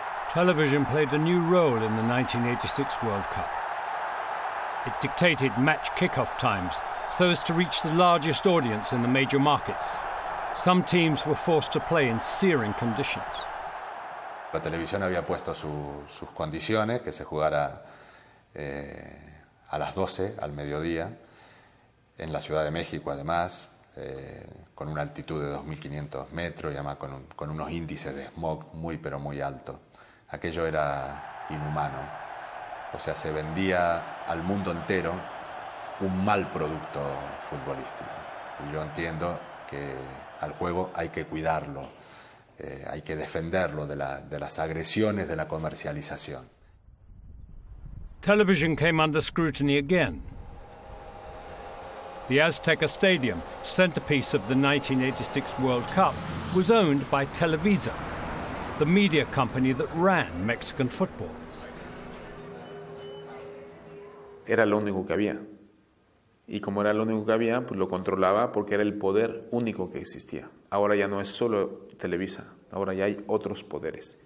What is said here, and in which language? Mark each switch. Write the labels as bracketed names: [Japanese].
[English] Television played a new role in the 1986 World Cup. It dictated match kickoff times so as to reach the largest audience in the major markets. Some teams were forced to play in searing conditions. [Spanish] La televisión había puesto sus condiciones, que se jugara a las 12, al mediodía, en la Ciudad de México, además, con una altitud de 2.500 metros, y además con unos índices de smog muy, pero muy altos. Aquello era inhumano, o sea, se vendía al mundo entero un mal producto futbolístico. Y yo entiendo que al juego hay que cuidarlo, hay que defenderlo de las agresiones de la comercialización. [English] Television came under scrutiny again. The Azteca Stadium, centerpiece of the 1986 World Cup, was owned by Televisa, the media company that ran Mexican football. [Spanish] Era lo único que había. Y como era lo único que había, pues lo controlaba porque era el poder único que existía. Ahora ya no es solo Televisa, ahora ya hay otros poderes.